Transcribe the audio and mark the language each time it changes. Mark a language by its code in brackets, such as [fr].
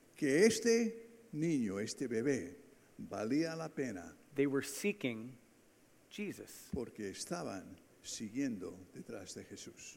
[es] Que este niño, este bebé, valía la pena. [en] They were seeking Jesus. [es] Porque estaban siguiendo detrás de Jesús.